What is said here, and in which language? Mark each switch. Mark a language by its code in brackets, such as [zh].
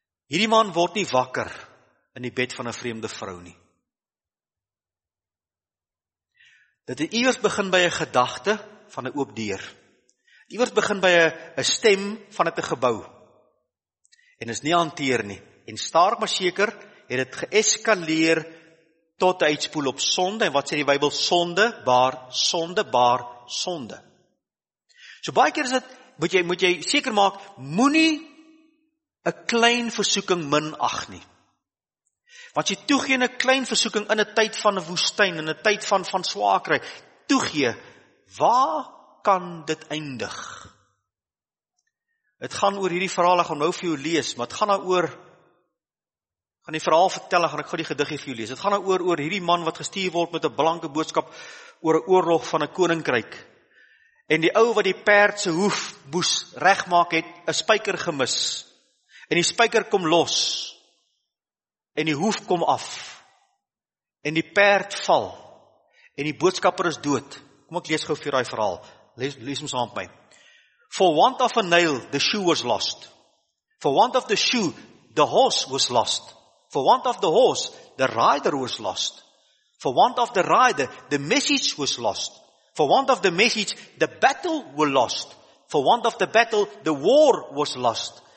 [af] Hierdie man word nie wakker in die bed van 'n vreemde vrou nie. Dit het iewers begin by 'n gedagte van 'n oop deur. Iewers begin by 'n stem van 'n gebou. En is nie hanteer nie. En stadig maar seker het dit geeskaleer tot uitspoel op sonde. En wat sê die Bybel? Sonde, baar, sonde, baar, sonde. So baie keer is dit, moet jy seker maak, moenie 'n klein versoeking min ag nie. Want jy toegee 'n klein versoeking in 'n tyd van 'n woestyn, in 'n tyd van swaarkry, toegee, waar kan dit eindig? Het gaan oor hierdie verhaal, ek gaan nou vir jou lees, maar het gaan nou oor, gaan die verhaal vertel, en gaan ek gou die gediggie vir jou lees, het gaan nou oor hierdie man wat gestuur word met 'n blanke boodskap oor 'n oorlog van 'n koninkryk, en die ou wat die perd se hoef moes regmaak het, 'n spyker gemis, en die spyker kom los, en die hoef kom af, en die perd val, en die boodskapper is dood. Kom ek lees gou vir daai verhaal, lees hom saam met my. [en] For want of a nail, the shoe was lost. For want of the shoe, the horse was lost. For want of the horse, the rider was lost. For want of the rider, the message was lost. For want of the message, the battle was lost. For want of the battle, the war was lost.